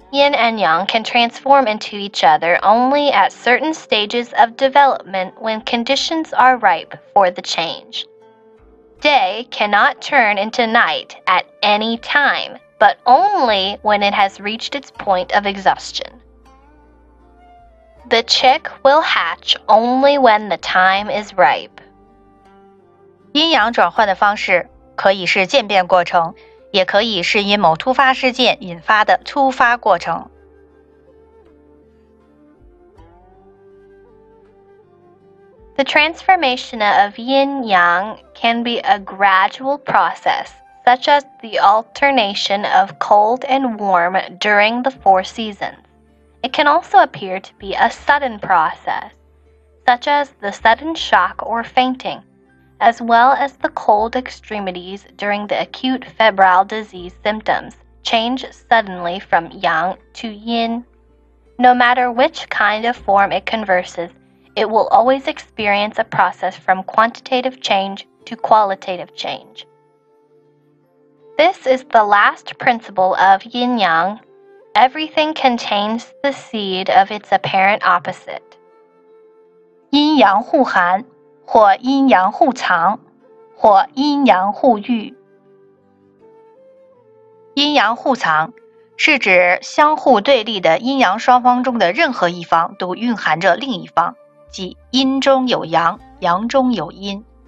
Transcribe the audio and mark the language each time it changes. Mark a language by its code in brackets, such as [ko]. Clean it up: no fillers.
[en] Yin and yang can transform into each other only at certain stages of development when conditions are ripe for the change. Day cannot turn into night at any time. But only when it has reached its point of exhaustion. The chick will hatch only when the time is ripe. [zh] 阴阳转换的方式可以是渐变过程，也可以是因某突发事件引发的突发过程。 [en] The transformation of yin yang can be a gradual process. Such as the alternation of cold and warm during the four seasons. It can also appear to be a sudden process, such as the sudden shock or fainting, as well as the cold extremities during the acute febrile disease symptoms change suddenly from yang to yin. No matter which kind of form it converses, it will always experience a process from quantitative change to qualitative change. This is the last principle of yin-yang. Everything contains the seed of its apparent opposite. [zh] 阴阳互含，或阴阳互藏，或阴阳互育。阴阳互藏是指相互对立的阴阳双方中的任何一方都蕴含着另一方，即阴中有阳，阳中有阴。